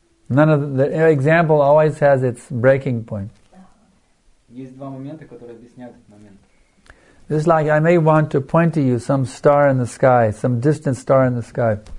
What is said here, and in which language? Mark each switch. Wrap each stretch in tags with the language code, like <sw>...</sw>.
<en>None of the example always has its breaking point.</en> <ru>Есть два момента, которые объясняют этот момент.</ru> <en>Just like I may want to point to you some star in the sky, some distant star in the sky.</en>